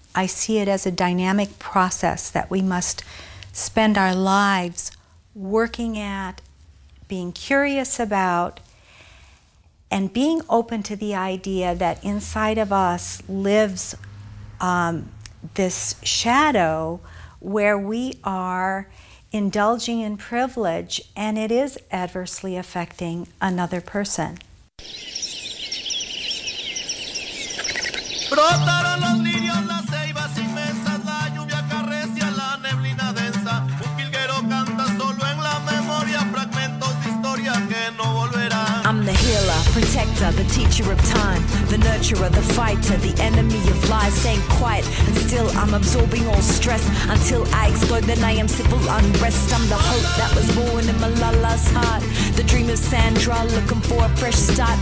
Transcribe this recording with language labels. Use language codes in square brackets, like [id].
[en] I see it as a dynamic process that we must spend our lives working at, being curious about, and being open to the idea that inside of us lives this shadow where we are indulging in privilege and it is adversely affecting another person. [es] Brotaron los lirios, las ceibas inmensas, la lluvia acaricia la neblina densa. Un jilguero canta solo en la memoria, fragmentos de historia que no volverán. [en] I'm the healer, protector, the teacher of time, the nurturer, the fighter, the enemy of lies. Staying quiet and still I'm absorbing all stress until I explode, then I am civil unrest. I'm the hope that was born in Malala's heart, the dream of Sandra looking for a fresh start.